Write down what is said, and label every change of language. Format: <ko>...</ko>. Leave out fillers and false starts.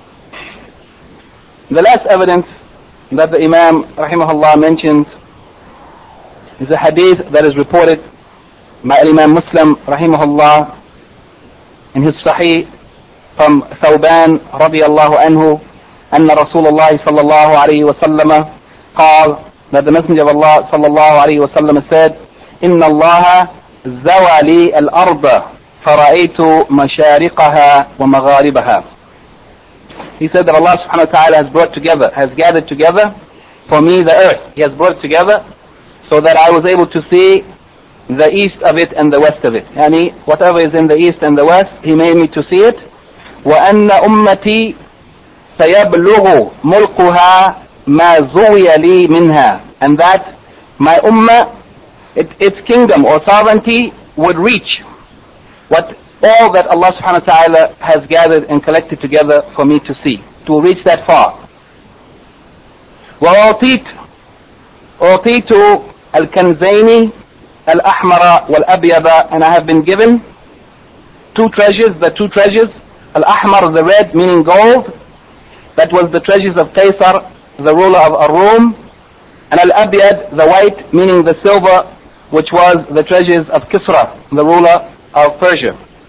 <en>The last evidence that the Imam rahimahullah mentions is a hadith that is reported by Imam Muslim rahimahullah in his Sahih from</en> <ar>ثوبان رضي الله عنه أن رسول الله صلى الله عليه وسلم قال</ar> <en>that the Messenger of Allah صلى الله عليه وسلم said</en> <ar>إن الله زوى لي الأرض فرأيت مشارقها ومغاربها.</ar> <en>He said that Allah سبحانه وتعالى has gathered together for me the earth. He has brought it together so that I was able to see the east of it and the west of it. Whatever is in the east and the west, He made me to see it.</en> <ar>وَأَنَّ أُمَّتِي سَيَبْلُغُ مُلْقُهَا مَا زُوِيَ لِي مِنْهَا</ar> <en>And that my ummah its kingdom or sovereignty would reach what all that Allah subhanahu wa ta'ala has gathered and collected together for me to see, to reach that far.</en> <ar>وَأُعْطِيتُ الْكَنْزَيْنِ الْأَحْمَرَ وَالْأَبْيَضَ,</ar> <en>and I have been given the two treasures, الْأَحْمَرَ, the red, meaning gold, that was the treasures of Qaisar, the ruler of Ar-Rum, and الْأَبْيَضَ, the white, meaning the silver, which was the treasures of Kisra, the ruler of Persia.</en>